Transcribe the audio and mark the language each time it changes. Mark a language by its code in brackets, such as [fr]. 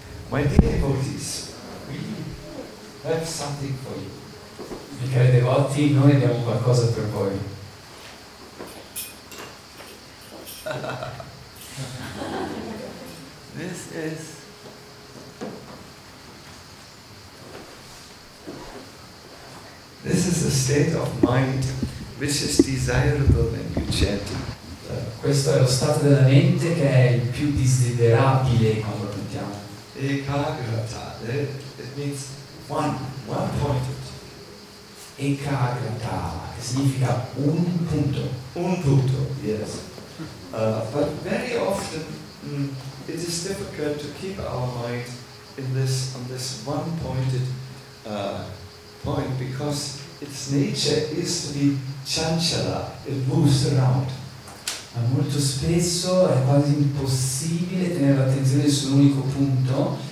[en] My dear devotees, we have something for you. [it] Mi cari devoti, noi abbiamo qualcosa per voi. [en] This is... This is a state of mind which is desirable when you chant. [it] Questo è lo stato della mente che è il più desiderabile quando cantiamo. [en] Ekagrata, it means one pointed. [it] Ekagrata, che significa un punto. Un punto, [en] yes. But very often it is difficult to keep our mind in this on this one pointed point because its nature is to be chanchala, it moves around. [it] Ma molto spesso è quasi impossibile tenere l'attenzione su un unico punto